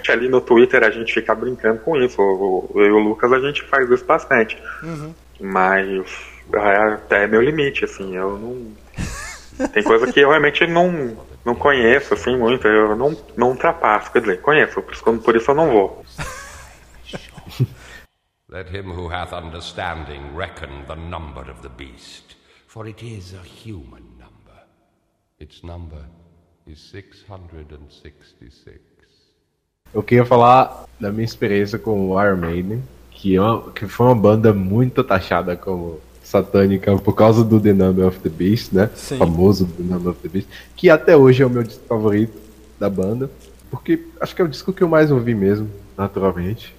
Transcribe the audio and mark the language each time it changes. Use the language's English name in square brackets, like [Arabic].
[Portuguese] Ali no Twitter a gente fica brincando com isso. Eu e o Lucas a gente faz isso bastante. Uhum. Mas até meu limite, assim. Eu não. Tem coisa que eu realmente não. Não conheço, assim, muito, eu não ultrapasso, quer dizer, conheço, por isso eu não vou. [English] Let him who hath understanding reckon the number of the beast, for it is a human number. Its number is 666. [Portuguese] Eu queria falar da minha experiência com o Iron Maiden, que foi uma banda muito taxada como satânica por causa do The Number of the Beast, né? Sim. O famoso The Number of the Beast, que até hoje é o meu disco favorito da banda, porque acho que é o disco que eu mais ouvi mesmo, naturalmente.